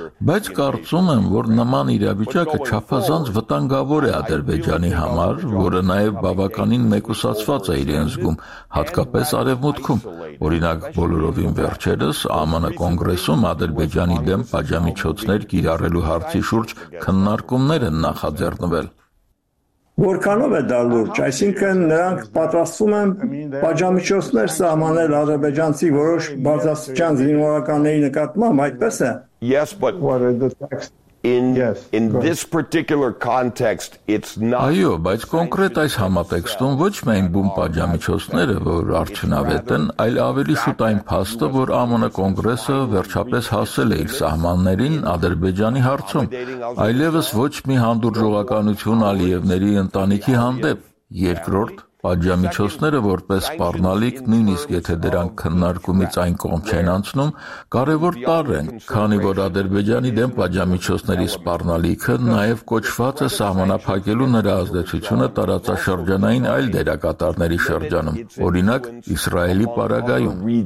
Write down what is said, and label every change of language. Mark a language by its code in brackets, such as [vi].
[hy] Բայց կարծում եմ, որ նման իրավիճակը չափազանց վտանգավոր է Ադրբեջանի համար, որը նաև բավականին մեկուսացված է իրեն զգում, հատկապես Արևմուտքում։ Օրինակ, բոլորովին վերջերս ԱՄՆ կոնգրեսում Ադրբեջանի դեմ պատժամիջոցներ կիրառելու հարցի շուրջ քննարկումներ են նախաձեռնվել։ Որքանով է դա լուրջ, այսինքն նրանք պատրաստվում են պատժամիջոցներ սահմանել ադրբեջանցի որոշ բարձրաստիճան զինվորականների նկատմամբ, այդպես է։ [en] Yes, but in this particular context it's not. [hy] Այո, բայց կոնկրետ այս համատեքստում ոչ միայն բուն պատժամիջոցները, որ արդյունավետ են, այլ ավելի շուտ այն փաստը, որ ԱՄՆ կոնգրեսը վերջապես հասել է իր սահմաններին Ադրբեջանի հարցում, այլևս ոչ մի հանդուրժողականություն Ալիևների ընտանիքի հանդեպ։ Երկրորդ, պատժամիջոցները որպես սպառնալիք, նույնիսկ եթե դրանք քննարկումից այն կողմ չեն անցնում, կարևոր տարր են, քանի որ Ադրբեջանի դեմ պատժամիջոցների սպառնալիքը նաև կոչված է սահմանափակելու նրա ազդեցությունը տարածաշրջանային այլ դերակատարների շրջանում, օրինակ Իսրայելի պարագայում։